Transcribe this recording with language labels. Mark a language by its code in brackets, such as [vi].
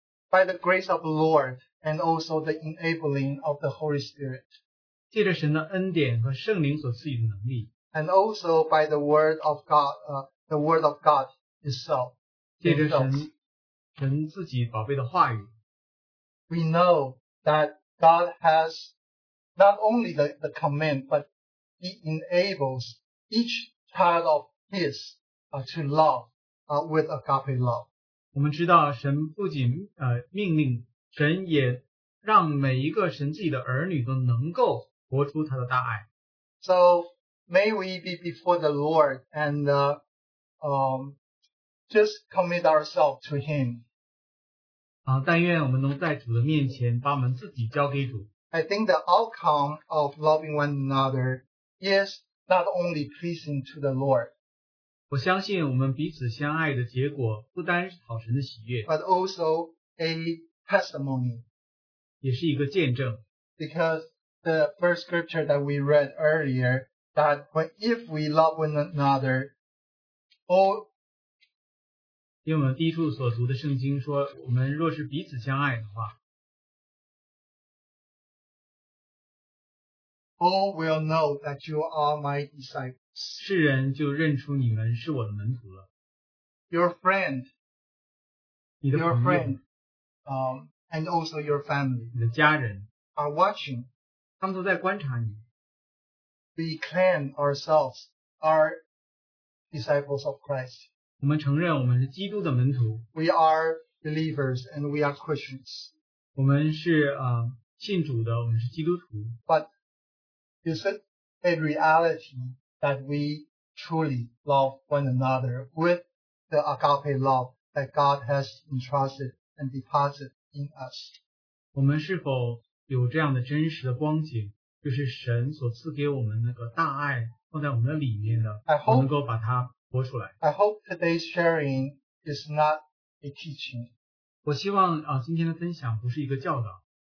[en] By the grace of the Lord and also the enabling of the Holy Spirit. [zh] 借着神的恩典和圣灵所赐予的能力。 [en] And also by the word of God, the word of God itself. [zh] 借着神自己宝贝的话语。 [en] We know that God has not only the command, but he enables each child of his to love with agape love. [zh] 我们知道神不仅命令，神也让每一个神自己的儿女都能够活出他的大爱。 [en] So may we be before the Lord and just commit ourselves to him. [zh] 但愿我们能在主的面前把我们自己交给主。 [en] I think the outcome of loving one another is not only pleasing to the Lord. [zh] 我相信我们彼此相爱的结果不单是讨神的喜悦， [en] but also a testimony. [zh] 也是一个见证。 [en] Because the first scripture that we read earlier, that if we love one another, all [zh] 因为我们第一处所读的圣经说，我们若是彼此相爱的话， [en] All will know that you are my disciples. [zh] 世人就认出你们是我的门徒了。 [en] Your friend, [zh] 你的朋友， [en] your friend, and also your family, [zh] 你的家人， [en] are watching. [zh] 他们都在观察你。 [en] we claim ourselves are disciples of Christ. [zh] 我们承认我们是基督的门徒。 [en] We are believers and we are Christians. [zh] 我们是信主的，我们是基督徒。 [en] But is it a reality that we truly love one another with the agape love that God has entrusted and deposited in us? [zh] 我们是否有这样的真实的光景，就是神所赐给我们那个大爱放在我们的里面的，我能够把它活出来。 [en] I hope today's sharing is not a teaching. [zh] 我希望今天的分享不是一个教导。